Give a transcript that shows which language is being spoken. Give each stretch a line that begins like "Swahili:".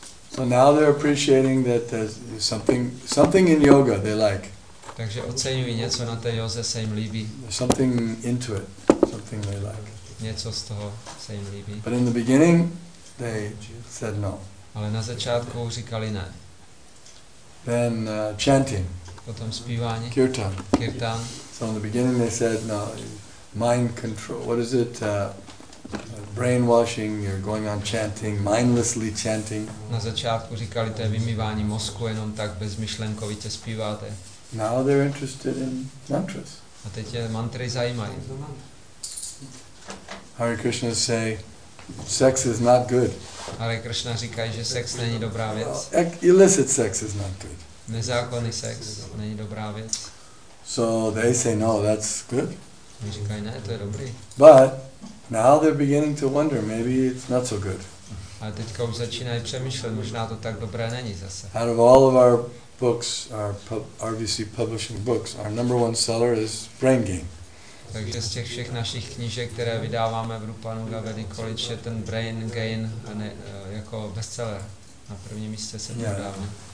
English: So now they're appreciating that there's something in yoga they like.
Czech: Takže oceňují něco na té józe, se jim líbí.
English: Something into it, something they like.
Czech: Něco z toho se jim líbí.
English: But in the beginning they said no.
Czech: Ale na začátku říkali ne.
English: Then chanting.
Czech: Potom zpívání.
English: Kirtan.
Czech: Kirtan.
English: So in the beginning they said, no, mind control, what is it, brainwashing, you're going on chanting, mindlessly chanting.
Czech: Na začátku říkali, to je vymývání mozku, jenom tak bezmyšlenkovitě zpíváte.
English: Now they're interested in mantras.
Czech: A teď je mantry zajímají.
English: Hare Krishna say, sex is not good.
Czech: Hare Krishna říkají, že sex není dobrá věc.
English: Illicit sex is not good.
Czech: Nezákonný sex není dobrá věc.
English: So they say no, that's good.
Czech: Říkají, ne, to je dobrý.
English: But Now they're beginning to wonder, maybe it's not so good.
Czech: A teďka už začínají přemýšlet, možná to tak dobré není zase.
English: Out of all of our books, our RVC publishing books, our number one seller is Brain Game.
Czech: Takže z těch všech našich knížek, které vydáváme v Rupanuga Vedic College, je ten Brain Gain a ne, jako bestseller na prvním místě se prodává.